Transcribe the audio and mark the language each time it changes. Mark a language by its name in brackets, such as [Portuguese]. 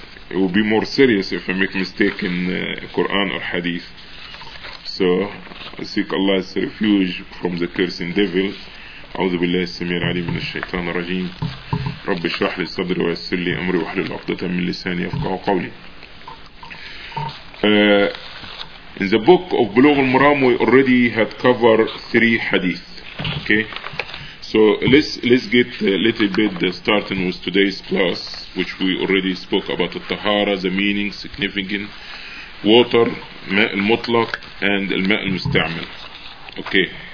[English] It will be more serious if I make mistake in Quran or Hadith. So I seek Allah's refuge from the cursing devil. [Arabic] أعوذ بالله السميع العليم من الشيطان الرجيم. رب اشرح لي صدري ويسر لي أمري واحلل عقدة من لساني يفقهوا قولي. [English] In the book of Bulugh al-Maram, we already had covered three hadith. Okay, so let's get a little bit starting with today's class, which we already spoke about the tahara, the meaning, significant water, ماء المطلق, and الماء المستعمل. Okay.